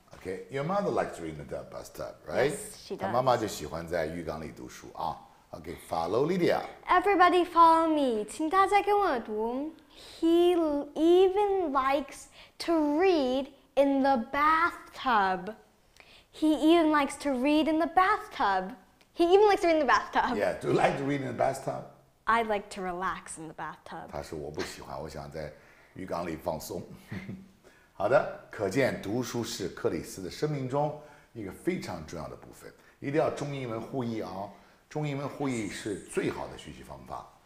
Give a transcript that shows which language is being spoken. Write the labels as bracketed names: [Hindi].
[English] Okay, your mother likes to read in the bathtub, right? Yes, she does. [Chinese] 她妈妈就喜欢在浴缸里读书啊。 [English] Okay, follow Lydia. Everybody follow me. 请大家跟我读。 He even likes to read in the bathtub. He even likes to read in the bathtub. He even likes to read in the bathtub. Yeah, do you like to read in the bathtub? I like to relax in the bathtub. [Chinese] 她说我不喜欢，我想在浴缸里放松。好的，可见读书是克里斯的生命中一个非常重要的部分，一定要中英文互译啊！中英文互译是最好的学习方法。